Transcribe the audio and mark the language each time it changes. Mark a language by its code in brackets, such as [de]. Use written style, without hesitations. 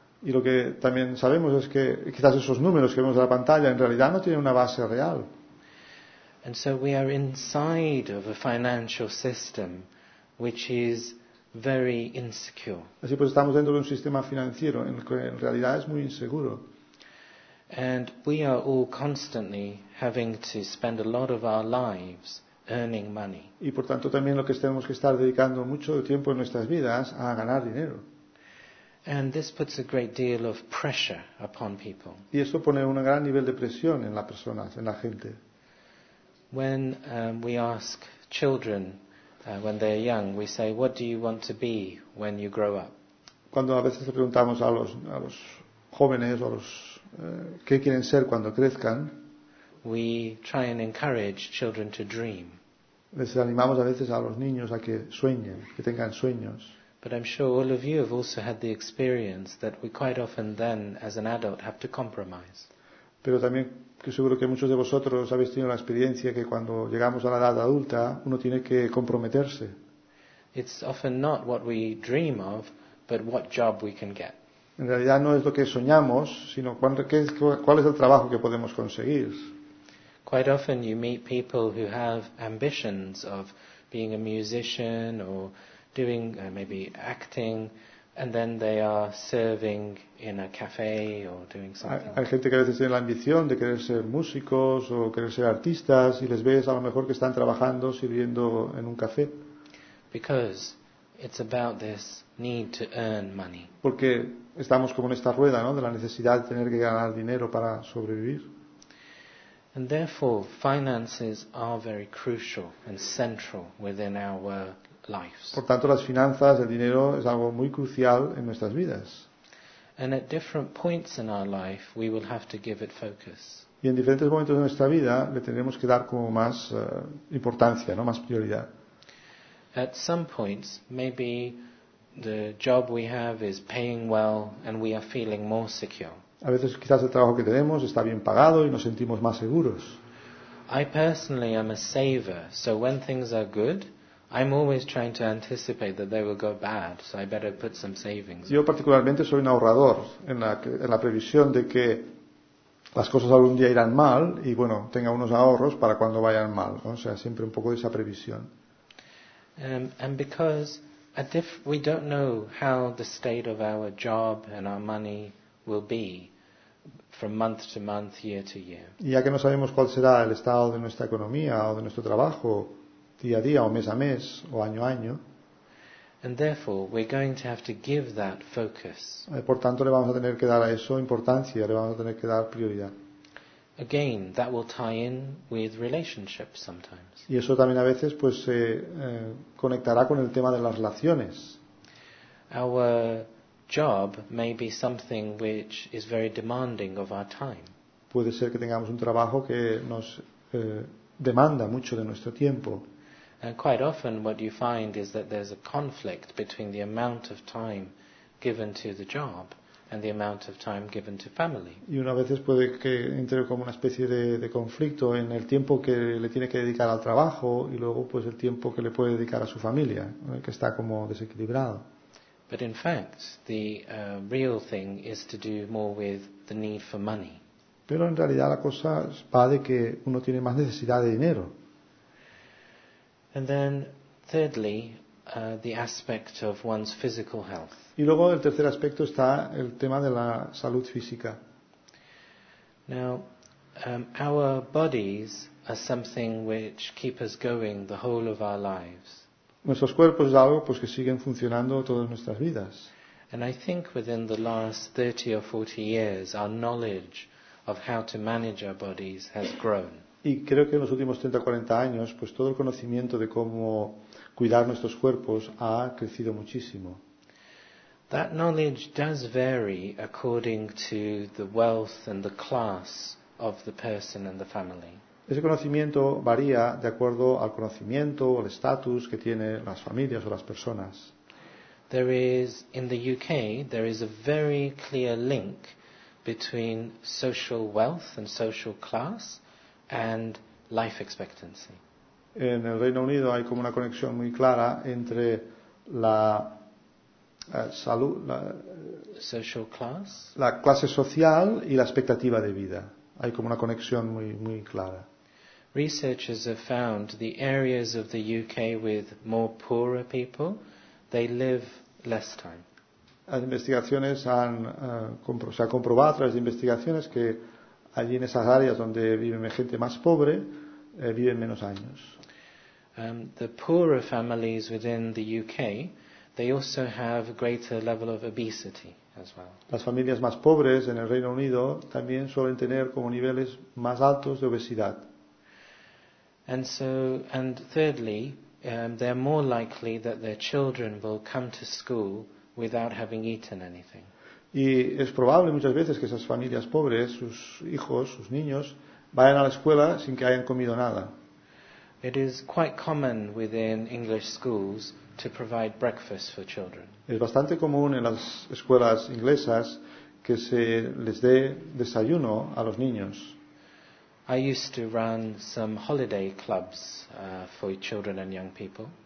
[es] Y lo que también sabemos es que quizás esos números que vemos en la pantalla en realidad no tienen una base real. [en] And so we are inside of a financial system which is very insecure. [es] Así pues, estamos dentro de un sistema financiero en el que en realidad es muy inseguro. [en] And we are all constantly having to spend a lot of our lives earning money. [es] Y por tanto también lo que tenemos que estar dedicando mucho tiempo en nuestras vidas a ganar dinero. [en] And this puts a great deal of pressure upon people. [es] Y esto pone un gran nivel de presión en las personas, en la gente. [en] When we ask children when they're young, we say, "What do you want to be when you grow up?" [es] Cuando a veces le preguntamos a los jóvenes o a los qué quieren ser cuando crezcan, [en] we try and encourage children to dream. [es] Les animamos a veces a los niños a que sueñen, que tengan sueños. [en] But I'm sure all of you have also had the experience that we quite often then, as an adult, have to compromise. [es] Pero también seguro que muchos de vosotros habéis tenido la experiencia que cuando llegamos a la edad adulta uno tiene que comprometerse. [en] It's often not what we dream of, but what job we can get. [es] En realidad no es lo que soñamos, sino cuál es el trabajo que podemos conseguir. [en] Quite often you meet people who have ambitions of being a musician or doing maybe acting, and then they are serving in a cafe or doing something. [es] Hay gente que a veces tiene la ambición de querer ser músicos o querer ser artistas y les ves a lo mejor que están trabajando sirviendo en un café. [en] Because it's about this need to earn money. [es] Porque estamos como en esta rueda, ¿no? De la necesidad de tener que ganar dinero para sobrevivir. [en] And therefore, finances are very crucial and central within our lives. [es] Por tanto, las finanzas, el dinero, es algo muy crucial en nuestras vidas. [en] And at different points in our life, we will have to give it focus. [es] Y en diferentes momentos de nuestra vida, le tendremos que dar como más importancia, ¿no? Más prioridad. [en] At some points, maybe the job we have is paying well and we are feeling more secure. [es] A veces quizás el trabajo que tenemos está bien pagado y nos sentimos más seguros. [en] I personally am a saver, so when things are good, I'm always trying to anticipate that they will go bad, so I better put some savings. [es] Yo particularmente soy un ahorrador en la previsión de que las cosas algún día irán mal y bueno, tenga unos ahorros para cuando vayan mal, ¿no? O sea, siempre un poco de esa previsión. [en] And because we don't know how the state of our job and our money will be from month to month, year to year. [es] Y ya que no sabemos cuál será el estado de nuestra economía o de nuestro trabajo día a día o mes a mes o año a año. [en] And therefore, we're going to have to give that focus. [es] Por tanto, le vamos a tener que dar a eso importancia, le vamos a tener que dar prioridad. [en] Again, that will tie in with relationships sometimes. [es] Y eso también a veces pues se conectará con el tema de las relaciones. [en] Our job may be something which is very demanding of our time. [es] Puede ser que tengamos un trabajo que nos demanda mucho de nuestro tiempo. [en] And quite often what you find is that there's a conflict between the amount of time given to the job and the amount of time given to family. [es] Y una vez puede que entre como una especie de conflicto en el tiempo que le tiene que dedicar al trabajo y luego pues el tiempo que le puede dedicar a su familia, que está como desequilibrado. [en] But in fact, the real thing is to do more with the need for money. [es] Pero en realidad la cosa va de que uno tiene más necesidad de dinero. [en] And then thirdly, the aspect of one's physical health. [es] Y luego el tercer aspecto está el tema de la salud física. [en] Now, our bodies are something which keep us going the whole of our lives. [es] Nuestros cuerpos es algo pues que siguen funcionando todas nuestras vidas. [en] And I think within the last 30 or 40 years our knowledge of how to manage our bodies has grown. [es] Y creo que en los últimos 30 o 40 años pues todo el conocimiento de cómo cuidar nuestros cuerpos ha crecido muchísimo. [en] That knowledge does vary according to the wealth and the class of the person and the family. [es] Ese conocimiento varía de acuerdo al conocimiento o el estatus que tienen las familias o las personas. [en] There is, in the UK, there is a very clear link between social wealth and social class and life expectancy. [es] En el Reino Unido hay como una conexión muy clara entre la salud, la [en] social class, [es] la clase social y la expectativa de vida. Hay como una conexión muy clara. [en] Researchers have found the areas of the UK with more poorer people, they live less time. [es] Las investigaciones han se ha comprobado a través de investigaciones que allí en esas áreas donde vive gente más pobre viven menos años. [en] The poorer families within the UK, they also have a greater level of obesity as well. [es] Las familias más pobres en el Reino Unido también suelen tener como niveles más altos de obesidad. [en] And thirdly, they're more likely that their children will come to school without having eaten anything. [es] Y es probable muchas veces que esas familias pobres, sus hijos, sus niños, vayan a la escuela sin que hayan comido nada. [en] It is quite common within English schools to provide breakfast for children. [es] Es bastante común en las escuelas inglesas que se les dé desayuno a los niños. [en] I used to run some holiday clubs for children and young people.